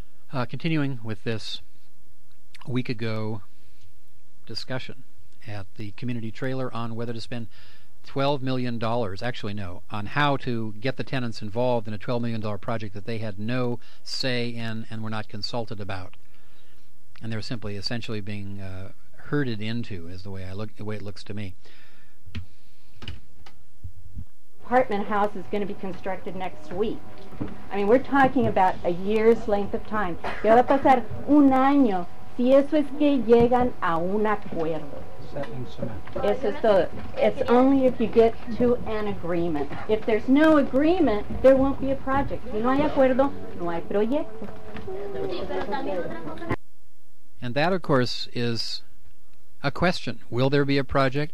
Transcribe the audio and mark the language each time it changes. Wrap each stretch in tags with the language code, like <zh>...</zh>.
<en>Continuing with this week ago discussion at the community trailer on whether to spend $12 million, actually no, on how to get the tenants involved in a $12 million project that they had no say in and were not consulted about. And they're simply essentially being herded into, is the way it looks to me. Apartment house is going to be constructed next week. I mean, we're talking about a year's length of time.</en> <es>Que va a pasar un año si eso es que llegan a un acuerdo.</es> <en>It's only if you get to an agreement. If there's no agreement, there won't be a project.</en> <es>Si no hay acuerdo, no hay proyecto.</es> <en>And that, of course, is a question. Will there be a project?</en>